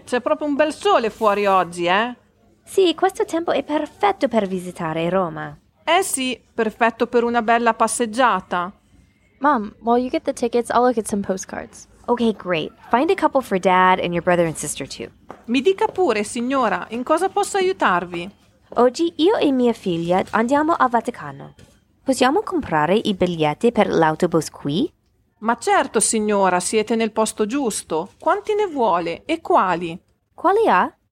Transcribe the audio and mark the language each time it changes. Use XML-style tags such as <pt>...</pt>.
<it>C'è proprio un bel sole fuori oggi, eh? Sì, questo tempo è perfetto per visitare Roma. Eh sì, perfetto per una bella passeggiata.</it> <en>Mom, while you get the tickets, I'll look at some postcards. Okay, great. Find a couple for Dad and your brother and sister too.</en> <it>Mi dica pure, signora, in cosa posso aiutarvi? Oggi io e mia figlia andiamo al Vaticano. Possiamo comprare i biglietti per l'autobus qui? Ma certo, signora, siete nel posto giusto. Quanti ne vuole e quali? Quali ha?</it>